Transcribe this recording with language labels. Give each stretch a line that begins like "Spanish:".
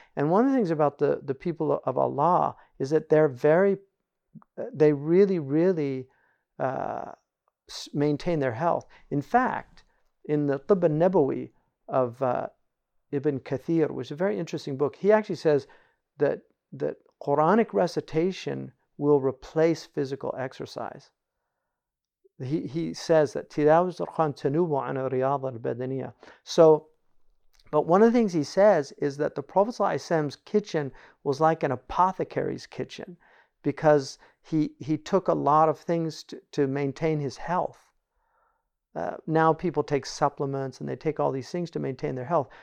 English: And one of the things about the people of Allah is that they really, really maintain their health. In fact, in the Tibb al-Nabawi of Ibn Kathir, which is a very interesting book, he actually says that Quranic recitation will replace physical exercise. He says that
Arabic: تِلَاوَةُ الْقُرْآنِ تَنُوبُ عَنِ الرِّيَاضَةِ الْبَدَنِيَةِ.
English: So, but one of the things he says is that the Prophet's kitchen was like an apothecary's kitchen, because he took a lot of things to maintain his health. Now people take supplements and they take all these things to maintain their health.